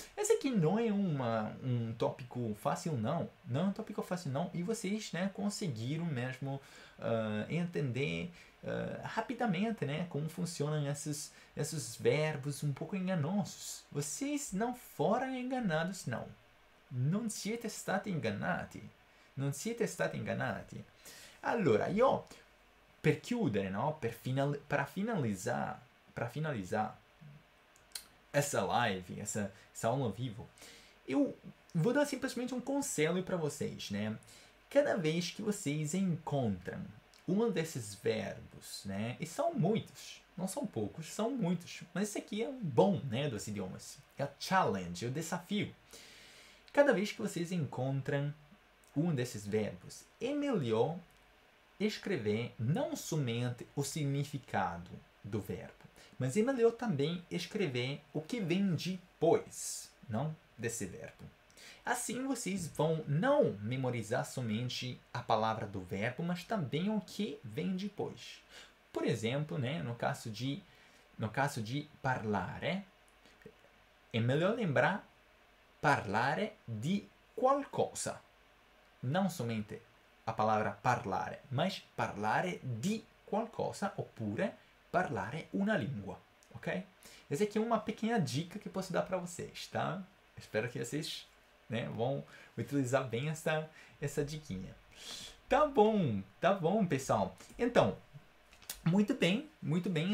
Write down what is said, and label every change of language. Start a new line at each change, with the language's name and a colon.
Portuguese: Esse aqui não é um tópico fácil, não. Não é um tópico fácil, não. E vocês, né, conseguiram mesmo entender rapidamente, né, como funcionam esses verbos um pouco enganosos. Vocês não foram enganados, não.
Italian: Non siete stati ingannati. Non siete stati ingannati. Allora, io per chiudere, no, per finalizzare
Portuguese: essa live, essa aula ao vivo, eu vou dar simplesmente um conselho para vocês, né? Cada vez que vocês encontram um desses verbos, né? E são muitos, não são poucos, são muitos. Mas esse aqui é um bom, né, dos idiomas. É a challenge, o desafio. Cada vez que vocês encontram um desses verbos, é melhor escrever não somente o significado do verbo, mas é melhor também escrever o que vem depois, não, desse verbo. Assim vocês vão não memorizar somente a palavra do verbo, mas também o que vem depois. Por exemplo, né, no caso de parlare, é melhor lembrar
Italian: parlare di qualcosa.
Portuguese: Não somente a palavra parlare, mas
Italian: parlare di qualcosa,
Portuguese: oppure
Italian: parlare una lingua,
Portuguese: ok? Essa aqui é uma pequena dica que posso dar para vocês, tá? Espero que vocês, né, vão utilizar bem essa diquinha. Tá bom, pessoal. Então, muito bem, muito bem.